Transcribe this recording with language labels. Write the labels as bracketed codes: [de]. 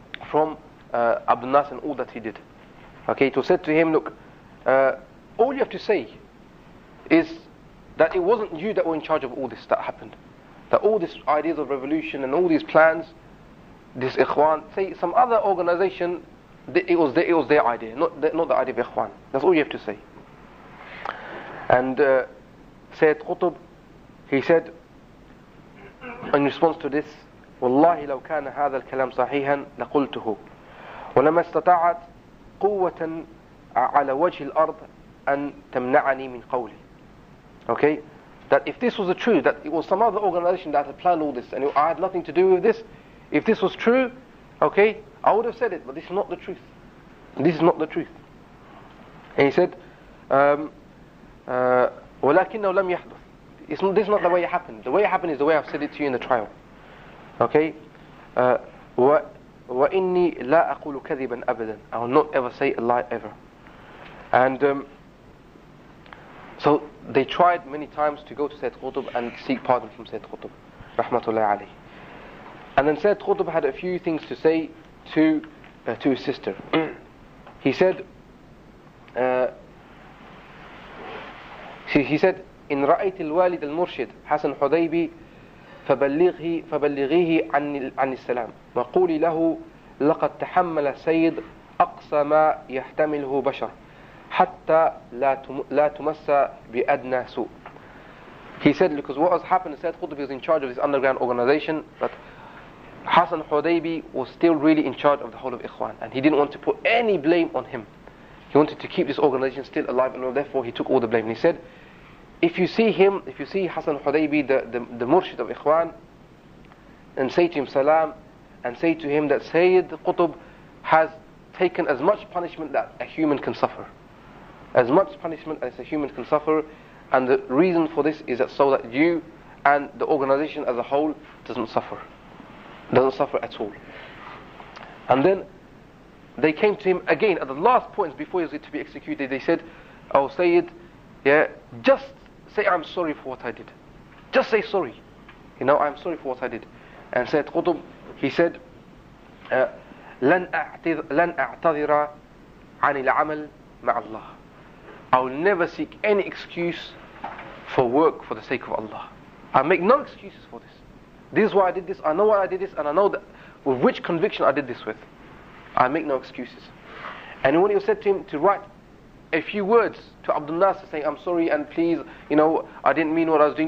[en] From Abdul Nasser and all that he did. Okay, it was said to him, "Look, all you have to say is that that it wasn't you that were in charge of all this that happened. That all these ideas of revolution and all these plans, this Ikhwan, say some other organization, it was their idea, not the idea of Ikhwan. That's all you have to say. And Sayyid Qutb, he said in response to this, [ar] وَاللَّهِ لَوْ كَانَ هَذَا الْكَلَامُ صَحِيحًا لَقُلْتُهُ وَلَمَا اسْتَطَعَتْ قُوَّةً عَلَى وَجْهِ الْأَرْضِ أَنْ تَمْنَعَنِي مِنْ قَوْلِ. [en] Okay, that if this was the truth, that it was some other organization that had planned all this, and I had nothing to do with this, if this was true, okay, I would have said it, but this is not the truth. This is not the truth. And he said, [ar] وَلَكِنَّهُ لَمْ يَحْدُثُ. [en] This is not the way it happened. The way it happened is the way I've said it to you in the trial. Okay? [ar] وَإِنِّي لَا أَقُولُ كَذِبًا أَبَدًا. [en] I will not ever say a lie ever. And so they tried many times to go to Sayyid Qutb and seek pardon from Sayyid Qutb, rahmatullahi alayhi. And then Sayyid Qutb had a few things to say to his sister. He said, he said, [ar] إِن رَأَيْتِ الْوَالِدَ الْمُرْشِدِ حَسَنْ حُدَيْبِي فبلغيه عن السلام وقولي له لقد تحمل سيد أقصى ما يحتمله بشر حتى لا تمس بأدنى سوء. [en] He said, because what has happened, Sayyid Qutb is in charge of this underground organization, but Hassan Hudaybi was still really in charge of the whole of Ikhwan, and he didn't want to put any blame on him. He wanted to keep this organization still alive, and therefore he took all the blame. And he said, If you see Hassan Hudaybi, the Murshid of Ikhwan, and say to him salam, and say to him that Sayyid Qutb has taken as much punishment that a human can suffer. As much punishment as a human can suffer, and the reason for this is that so that you and the organization as a whole doesn't suffer at all. And then they came to him again at the last point before he was to be executed. They said, oh Sayyid, yeah, just say I'm sorry for what I did. Just say sorry. You know, I'm sorry for what I did. And Sayyid Qutb, he said, [ar] لَنْ أَعْتَذِرَ عَنِ الْعَمَلِ مَعَ اللَّهِ. [en] I will never seek any excuse for work for the sake of Allah. I make no excuses for this. This is why I did this, I know why I did this, and I know that with which conviction I did this with. I make no excuses. And when he said to him to write a few words to Abdul Nasir saying, I'm sorry and please, you know, I didn't mean what I was doing.